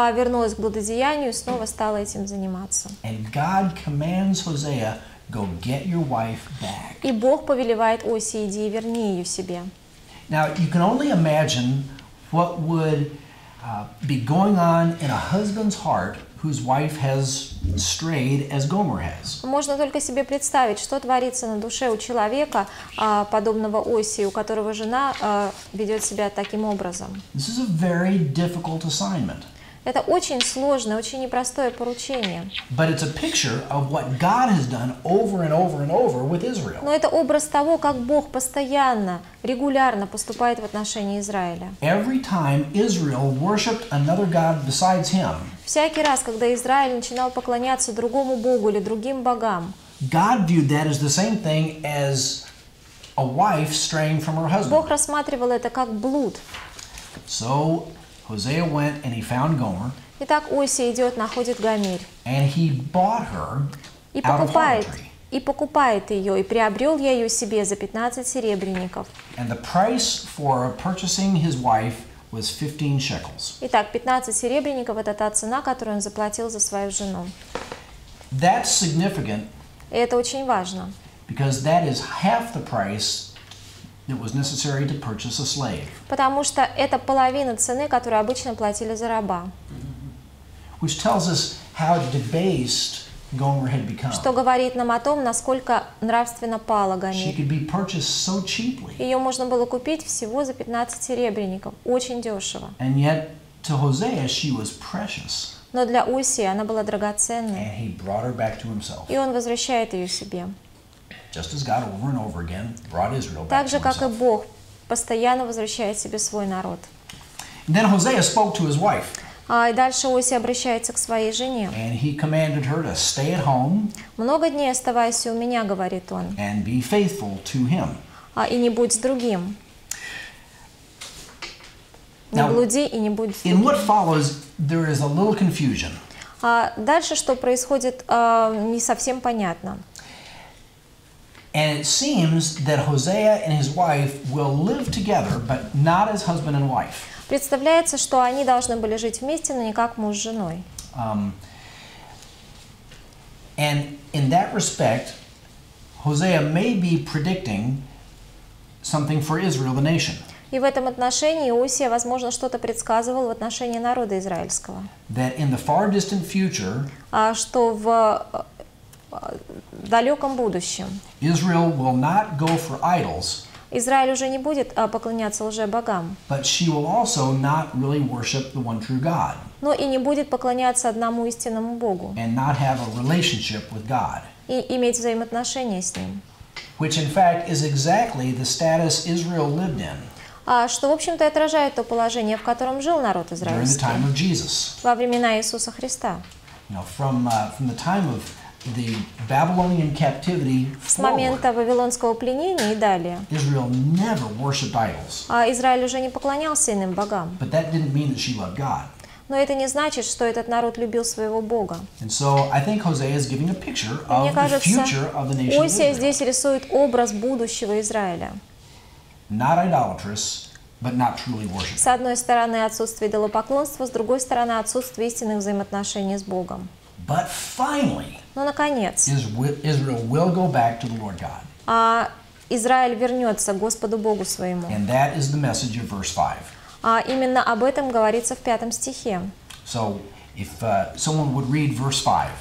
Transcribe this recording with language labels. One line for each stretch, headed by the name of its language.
Russian: Вернулась к блудодеянию и снова стала этим заниматься.
English: And God commands Hosea, go get your wife back.
Russian: И Бог повелевает Осии, иди и верни ее себе.
English: Now you can only imagine what would be going on in a husband's heart whose wife has strayed as Gomer has.
Russian: Можно только себе представить, что творится на душе у человека, подобного Осии, у которого жена ведет себя таким образом.
English: This is a very difficult assignment.
Russian: Это очень сложное, очень непростое поручение.
English: But it's a picture of what God has done over and over and over with Israel.
Russian: Но это образ того, как Бог постоянно, регулярно поступает в отношении Израиля.
English: Every time Israel worshipped another god besides him.
Russian: Всякий раз, когда Израиль начинал поклоняться другому богу или другим богам.
English: God viewed that as the same thing as a wife straying from her husband.
Russian: Бог рассматривал это как блуд.
English: So Hosea went and he found Gomer.
Russian: Итак, Осия идет, находит Гомерь.
English: And he bought her out of harlotry.
Russian: И покупает ее, и приобрел я ее себе за 15 серебряников.
English: And the price for purchasing his wife was 15 shekels.
Russian: Итак, 15 серебряников — это та цена, которую он заплатил за свою жену.
English: That's significant.
Russian: И это очень важно.
English: Because that is half the price it was necessary to purchase a slave.
Russian: Потому что это половина цены, которую обычно платили за раба.
English: Which tells us how debased Gomer had become.
Russian: Что говорит нам о том, насколько нравственно пала Гомерь.
English: She could be purchased so cheaply.
Russian: Ее можно было купить всего за 15 серебряников, очень дешево.
English: And yet to Hosea she was precious.
Russian: Но для Осии она была драгоценной.
English: And he brought her back to himself.
Russian: И он возвращает ее себе.
English: Just as God over and over again brought Israel back.
Russian: Так же, как и Бог постоянно возвращает себе свой народ.
English: And then Hosea spoke to his wife.
Russian: И дальше Осия обращается к своей жене.
English: And he commanded her to stay at home.
Russian: Много дней оставайся у меня, говорит он.
English: And be faithful to him.
Russian: И не будь с другим. Не блуди и не будь с другим.
English: In what follows, there is a little confusion.
Russian: Дальше что происходит, не совсем понятно.
English: And it seems that Hosea and his wife will live together, but not as husband and wife.
Russian: Представляется, что они должны были жить вместе, но не как муж с женой.
English: And in that respect, Hosea may be predicting something for Israel, the nation.
Russian: И в этом отношении Осия, возможно, что-то предсказывал в отношении народа израильского.
English: That in the far distant future.
Russian: Что в далеком будущем
English: Israel will not go for idols,
Russian: Израиль уже не будет поклоняться лжебогам,
English: but she will also not really worship the one true God,
Russian: но и не будет поклоняться одному истинному Богу,
English: and not have a relationship with God,
Russian: и иметь взаимоотношения с Ним,
English: which in fact is exactly the status Israel lived in,
Russian: что, в общем-то, отражает то положение, в котором жил народ израильский
English: during the time of Jesus,
Russian: во времена Иисуса Христа.
English: Now, from the time of the Babylonian captivity
Russian: с момента вавилонского пленения и далее
English: Israel never worshipped idols.
Russian: А Израиль уже не поклонялся иным богам.
English: But that didn't mean that she loved God.
Russian: Но это не значит, что этот народ любил своего Бога.
English: And so I think Hosea is giving a picture of the future of the nation.
Russian: Мне кажется, Осия здесь рисует образ будущего Израиля.
English: Not idolatrous, but not truly worshipping.
Russian: С одной стороны, отсутствие идолопоклонства, с другой стороны, отсутствие истинных взаимоотношений с Богом.
English: But finally,
Russian: но наконец,
English: Israel will go back to the Lord God.
Russian: А Израиль вернется к Господу Богу своему.
English: And that is the message of verse 5.
Russian: А именно об этом говорится в пятом стихе.
English: So, if someone would read verse 5.